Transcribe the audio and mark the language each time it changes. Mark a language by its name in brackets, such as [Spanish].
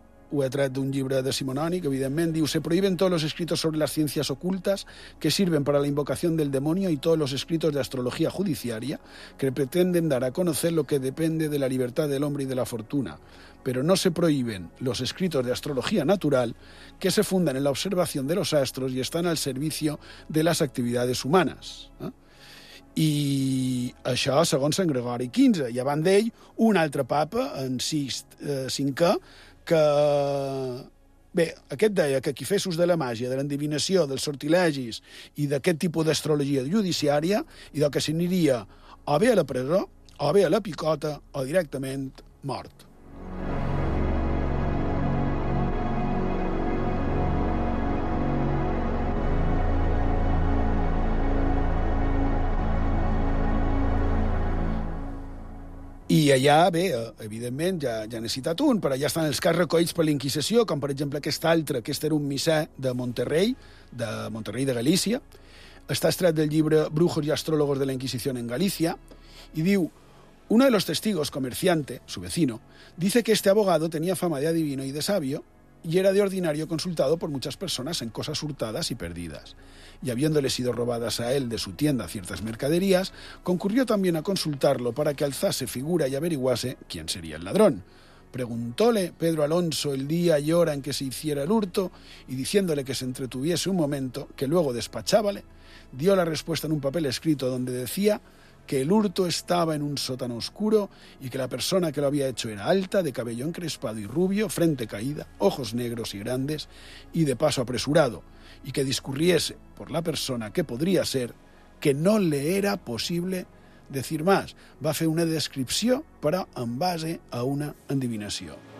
[Catalan] ho he tret d'un llibre decimonònic, evidentment, diu: [Spanish] se prohíben todos los escritos sobre las ciencias ocultas que sirven para la invocación del demonio y todos los escritos de astrología judiciaria que pretenden dar a conocer lo que depende de la libertad del hombre y de la fortuna, pero no se prohíben los escritos de astrología natural que se fundan en la observación de los astros y están al servicio de las actividades humanas. [Catalan] I això segons Sant Gregori XV. I abans d'ell, un altre papa, en Sixt V, que... Bé, aquest deia que qui fes ús de la màgia, de l'endivinació, dels sortilegis i d'aquest tipus d'astrologia judiciària, i del que s'aniria o bé a la presó, o bé a la picota, o directament mort. I allà, bé, evidentment, ja n'he citat un, però allà estan els cas recollits per la Inquisició, com per exemple aquest altre, que era un missè de Monterrey de Galícia. Està extret del llibre Brujos y astrólogos de la Inquisición en Galicia, i diu: [Spanish] uno de los testigos, comerciante, su vecino, dice que este abogado tenía fama de adivino y de sabio, y era de ordinario consultado por muchas personas en cosas hurtadas y perdidas. Y habiéndole sido robadas a él de su tienda ciertas mercaderías, concurrió también a consultarlo para que alzase figura y averiguase quién sería el ladrón. Preguntóle Pedro Alonso el día y hora en que se hiciera el hurto, y diciéndole que se entretuviese un momento, que luego despachábale, dio la respuesta en un papel escrito donde decía que el hurto estaba en un sótano oscuro y que la persona que lo había hecho era alta, de cabello encrespado y rubio, frente caída, ojos negros y grandes y de paso apresurado, y que discurriese por la persona que podría ser, que no le era posible decir más. [Catalan] Va fer una descripció, però en base a una endivinació.